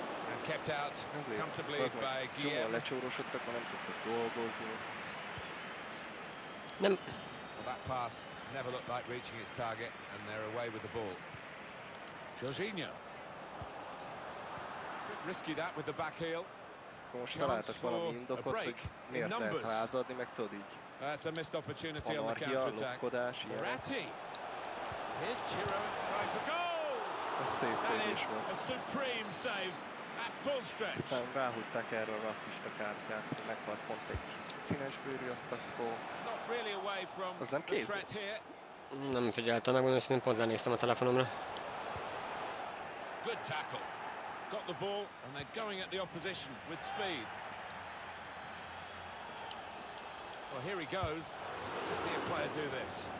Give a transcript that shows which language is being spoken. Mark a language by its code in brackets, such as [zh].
[en] And kept out comfortably by Guillaume. [hu] Csomóan lecsórosodtak, mert nem tudtak dolgozni. Nem. [en] Well, that pass never looked like reaching its target, and they're away with the ball. Jorginho. Risky that with the back heel. [hu] Most találtak valami indokot, hogy miért lehet rázadni, meg tudod így. [en] That's a missed opportunity on the counter-attack. Moratti. Here's Chiro, right for goal! A safe finish. A supreme save [hu] Aztán ráhúzták erre a rasszista kártyát, hogy meghalt pont egy színes bőrű, azt akkor... Az nem kéz volt? Nem figyeltem, megmondom, hogy pont lenéztem a telefonomra. [en] Good tackle. Got the ball and they're going at the opposition with speed. Well, here he goes. Good to see a player do this.